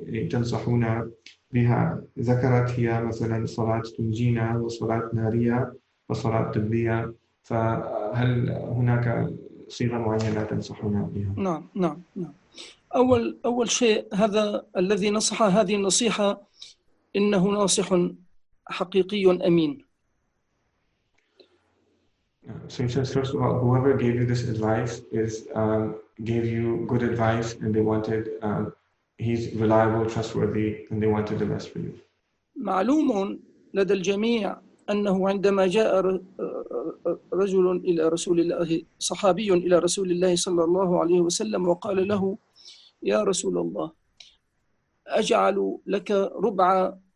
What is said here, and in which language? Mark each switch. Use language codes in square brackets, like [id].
[ar] تنصحون بها ذكرت هي مثلا صلاة تنجينا وصلاة نارية وصلاة طبية فهل هناك صيغة معينة تنصحون بها؟ نعم. أول شيء هذا الذي نصح هذه النصيحة إنه ناصح حقيقي أمين. [en] So he says, first of all, whoever gave you this advice is gave you good advice, and they wanted he's reliable, trustworthy, and they wanted the best for you. [ar] معلوم لدى الجميع أنه عندما جاء رجل إلى رسول الله صحابي إلى رسول الله صلى الله عليه وسلم وقال له يا رسول الله أجعل لك ربع